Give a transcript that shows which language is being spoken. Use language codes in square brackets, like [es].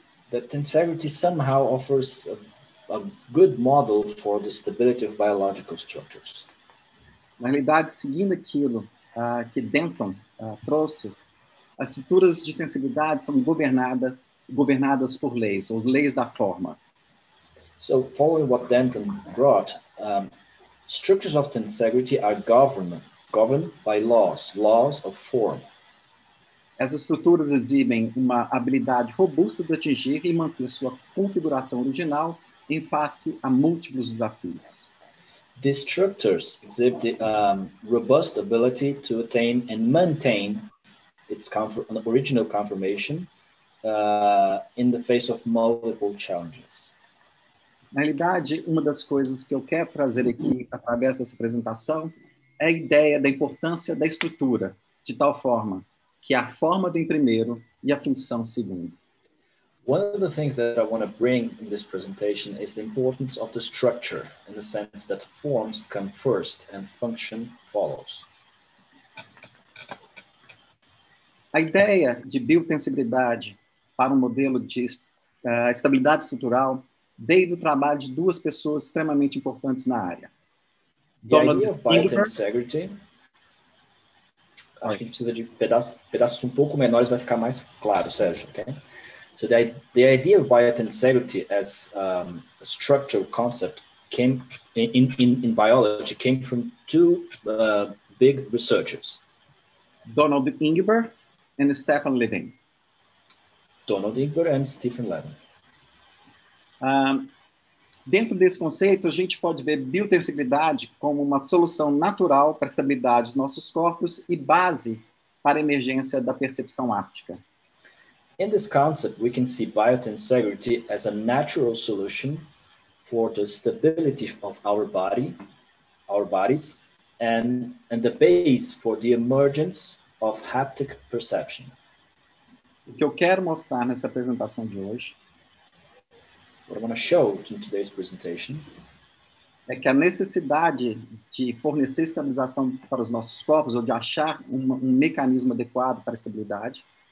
[en] That tensegrity somehow offers a good model for the stability of biological structures. [pt] Na realidade, seguindo aquilo que Denton trouxe, as estruturas de tensegridade são governadas por leis, ou leis da forma. [en] So, following what Denton brought, structures of tensegrity are governed by laws of form. [pt] Essas estruturas exibem uma habilidade robusta de atingir e manter sua configuração original em face a múltiplos desafios. [en] These structures exhibit robust ability to attain and maintain its original conformation in the face of multiple challenges. [pt] Na realidade, uma das coisas que eu quero trazer aqui através dessa apresentação é a ideia da importância da estrutura, de tal forma que a forma vem primeiro e a função segundo. [en] One of the things that I want to bring in this presentation is the importance of the structure, in the sense that forms come first and function follows. [pt] A ideia de biotensibilidade para um modelo de estabilidade estrutural veio do trabalho de duas pessoas extremamente importantes na área. [en] Donald Biotensegrity. [pt] Acho que a gente precisa de pedaços um pouco menores, vai ficar mais claro, Sérgio. [en] Okay? So the idea of biotensegrity as a structural concept came in biology came from two big researchers. Donald Ingeborg and Stephen Levin. Donald Ingeborg and Stephen Levin. [pt] Dentro desse conceito, a gente pode ver biotensibilidade como uma solução natural para a estabilidade dos nossos corpos e base para a emergência da percepção áptica. [en] In this concept, we can see biotensegrity as a natural solution for the stability of our bodies, and the base for the emergence of haptic perception. [pt] O que eu quero mostrar nessa apresentação de hoje [en] What I want to show in today's presentation [pt] é que a necessidade de fornecer estabilização para os nossos corpos ou de achar um mecanismo adequado para a estabilidade